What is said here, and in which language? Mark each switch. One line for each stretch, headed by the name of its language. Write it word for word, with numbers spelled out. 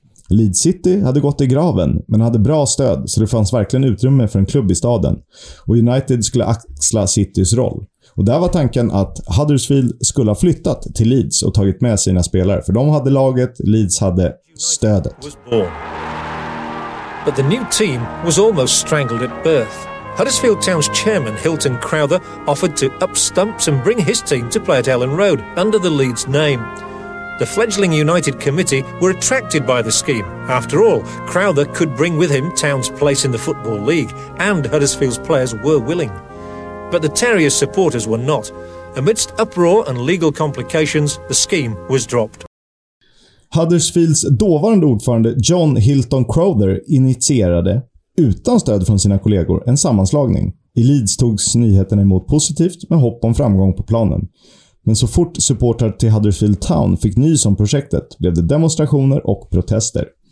Swedish: Leeds City hade gått i graven men hade bra stöd så det fanns verkligen utrymme för en klubb i staden. Och United skulle axla Citys roll. Och där var tanken att Huddersfield skulle ha flyttat till Leeds och tagit med sina spelare. För de hade laget, Leeds hade stödet.
English: But the new team was almost strangled at birth. Huddersfield Town's chairman Hilton Crowther offered to up stumps and bring his team to play at Ellen Road under the Leeds name. The fledgling United committee were attracted by the scheme. After all, Crowther could bring with him Town's place in the Football League, and Huddersfield's players were willing. But the Terriers' supporters were not. Amidst uproar and legal complications, the scheme was dropped.
Swedish: Huddersfields dåvarande ordförande John Hilton Crowther initierade, utan stöd från sina kollegor, en sammanslagning. I Leeds togs nyheterna emot positivt med hopp om framgång på planen. Men så fort supportrar till Huddersfield Town fick nys om projektet blev det demonstrationer och protester.